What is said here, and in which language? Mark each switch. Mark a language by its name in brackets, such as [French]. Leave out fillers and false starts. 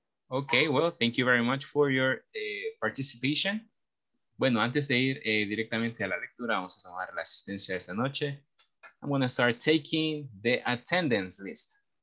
[English] Ok, well, thank you very much for your participation. [Spanish] Bueno, antes de ir directamente a la lectura, vamos a tomar la asistencia de esta noche. [English] I'm going to start taking the attendance list.